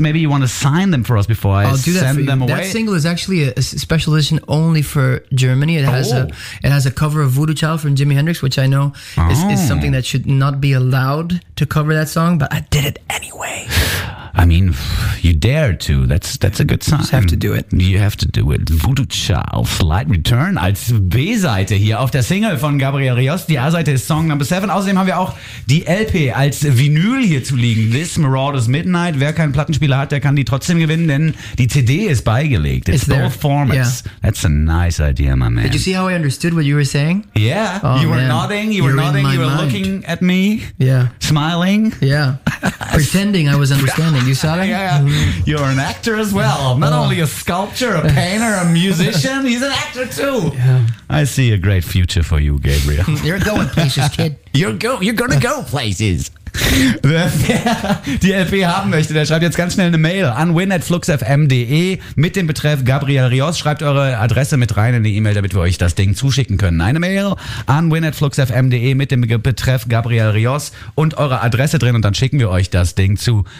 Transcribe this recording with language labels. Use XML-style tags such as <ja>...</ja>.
<en>Maybe you want to sign them for us before I'll do that send for you. Them away. That single is actually a special edition only for Germany. It has a cover of Voodoo Child from Jimi Hendrix, which I know is something that should not be allowed to cover that song, but I did it anyway. I mean, you dare to. That's a good sign. You have to do it. You have to do it.</en> <de>Voodoo Child, Slight Return als B-Seite hier auf der Single von Gabriel Rios. Die A-Seite ist Song Number 7. Außerdem haben wir auch die LP als Vinyl hier zu liegen. This Marauder's Midnight. Wer keinen Plattenspieler hat, der kann die trotzdem gewinnen, denn die CD ist beigelegt.</de> <en>It's both formats. Yeah. That's a nice idea, my man. Did you see how I understood what you were saying? Yeah. Oh, you were nodding. Looking at me. Yeah. Smiling. Yeah. Pretending I was understanding. You saw that? Yeah, yeah. You're an actor as well. Not only a sculptor, a painter, a musician. He's an actor too. Yeah. I see a great future for you, Gabriel. You're going places, kid. You're going to go places.</en> <de>Wer die LP haben möchte, der schreibt jetzt ganz schnell eine Mail an win@fluxfm.de mit dem Betreff Gabriel Rios. Schreibt eure Adresse mit rein in die E-Mail, damit wir euch das Ding zuschicken können. Eine Mail an win@fluxfm.de mit dem Betreff Gabriel Rios und eure Adresse drin und dann schicken wir euch das Ding zu.</de>